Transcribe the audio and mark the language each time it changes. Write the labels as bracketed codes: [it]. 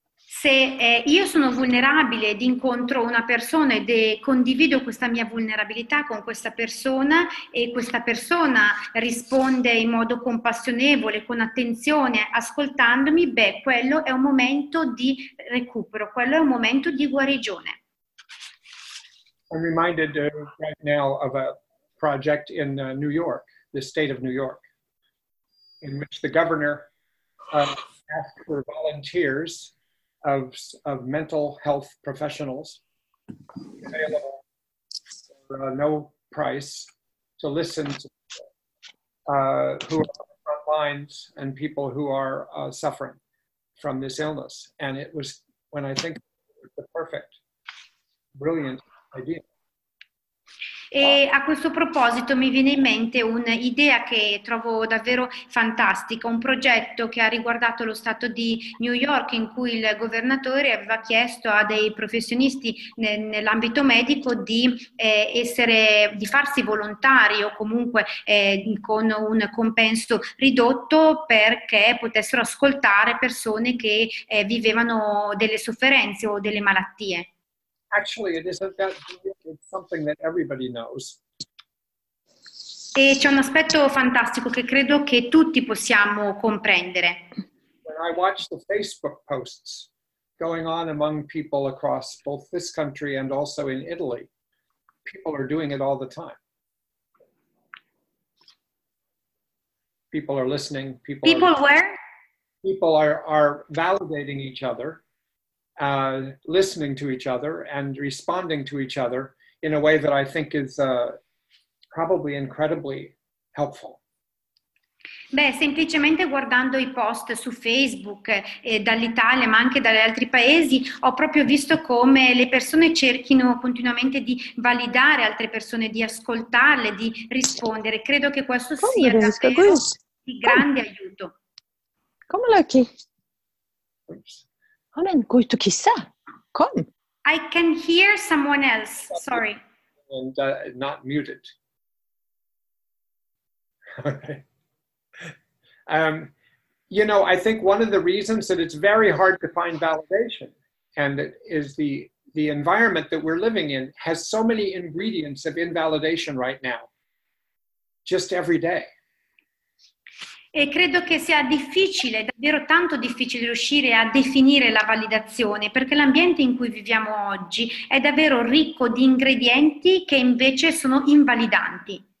[it] Se io sono vulnerabile ed incontro una persona ed condivido questa mia vulnerabilità con questa persona e questa persona risponde in modo compassionevole, con attenzione, ascoltandomi, beh, quello è un momento di recupero, quello è un momento di guarigione. [en] I'm reminded right now of a project in New York, the state of New York, in which the governor asked for volunteers of mental health professionals available for no price to listen to who are on the front lines and people who are suffering from this illness. And it was, when I think, the perfect, brilliant idea. [it] E a questo proposito mi viene in mente un'idea che trovo davvero fantastica, un progetto che ha riguardato lo stato di New York, in cui il governatore aveva chiesto a dei professionisti nell'ambito medico di farsi volontari o comunque con un compenso ridotto, perché potessero ascoltare persone che vivevano delle sofferenze o delle malattie. [en] Actually, it isn't that brilliant. It's something that everybody knows. [it] E c'è un aspetto fantastico che credo che tutti possiamo comprendere. [en] When I watch the Facebook posts going on among people across both this country and also in Italy, people are doing it all the time. People are listening. People are validating each other. Listening to each other and responding to each other in a way that I think is probably incredibly helpful. [it] Beh, semplicemente guardando i post su Facebook dall'Italia ma anche dagli altri paesi, ho proprio visto come le persone cerchino continuamente di validare altre persone, di ascoltarle, di rispondere. Credo che questo come sia davvero di grande aiuto. Come la chi? [en] I'm going to kiss her. Come. I can hear someone else. Sorry. And not muted. Okay. You know, I think one of the reasons that it's very hard to find validation, and it is the environment that we're living in, has so many ingredients of invalidation right now. Just every day. [it] E credo che sia difficile, davvero tanto difficile, riuscire a definire la validazione, perché l'ambiente in cui viviamo oggi è davvero ricco di ingredienti che invece sono invalidanti.